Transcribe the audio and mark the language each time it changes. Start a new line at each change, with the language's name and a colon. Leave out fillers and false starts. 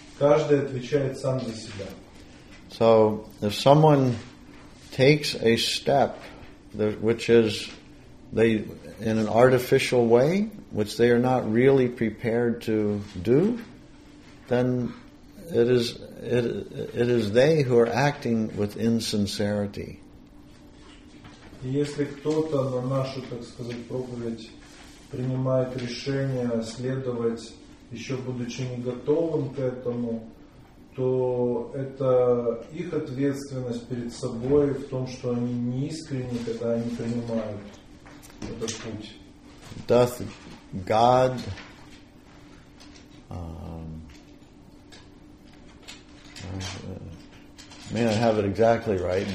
Russian: Каждый отвечает сам за себя.
English: So, if someone takes a step which is they in an artificial way, which they are not really prepared to do, then it is they who are acting with insincerity.
Russian: Если кто-то на нашу, так сказать, проповедь принимает решение следовать, еще будучи не готовым к этому, то это их ответственность перед собой в том, что они не искренни, когда они принимают этот путь.
English: Doth God may not have it exactly right.